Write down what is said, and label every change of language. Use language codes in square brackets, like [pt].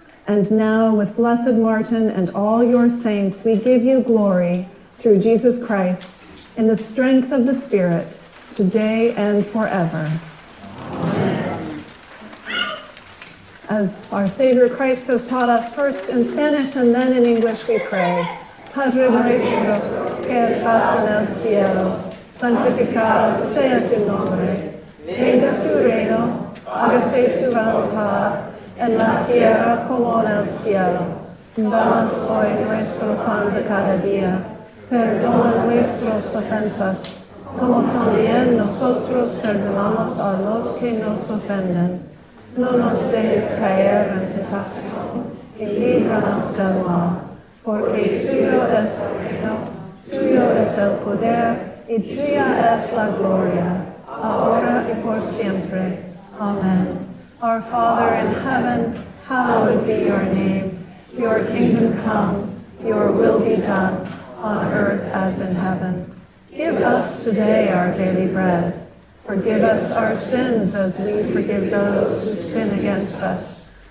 [en] And now, with Blessed Martin and all your saints, we give you glory through Jesus Christ in the strength of the Spirit, today and forever. Amen. As our Savior Christ has taught us, first in Spanish and then in English, we pray. [es] Padre nuestro, que estás en el cielo, santificado sea tu nombre, venga tu reino, hágase tu voluntad, en la tierra como en el cielo. Danos hoy nuestro pan de cada día. Perdona nuestras ofensas, como también nosotros perdonamos a los que nos ofenden. No nos dejes caer en tentación, y líbranos del mal. Porque tuyo es el reino, tuyo es el poder, y tuya es la gloria, ahora y por siempre. Amén. [en] Our Father in heaven, hallowed be your name. Your kingdom come, your will be done, on earth as in heaven. Give us today our daily bread. Forgive us our sins as we forgive those who sin against us.